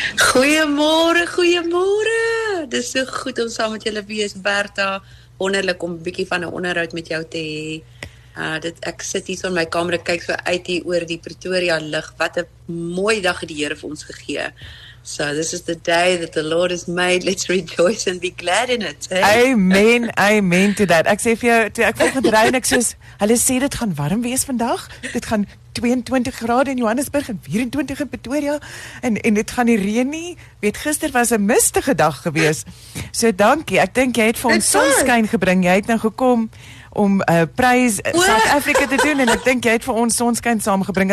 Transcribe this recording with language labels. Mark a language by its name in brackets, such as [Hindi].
[Afrikaans] Goeiemôre. Dis so goed om saam met julle wees Bertha. Wonderlik om 'n bietjie van 'n onderhoud met jou te hê. Ek sit hier in my kamer en kyk so uit hier oor die Pretoria lig. Wat 'n mooi dag het die Here vir ons gegee. [English] So this is the day that the Lord has made. Let's rejoice and be glad in it. Hey? Amen. Amen to that. [Afrikaans] Ek sê vir jou, ek volgende ry en ek sê, hulle sê dit gaan warm wees vandag. Dit gaan 22 grade in Johannesburg en 24 in Pretoria en dit gaan nie reën nie. Weet, gister was 'n mistige dag gewees. So dankie. Ek dink jy het vir ons sonskyn gebring. Jy het nou gekom om prys South Africa te doen en ek dink jy het vir ons sonskyn saamgebring.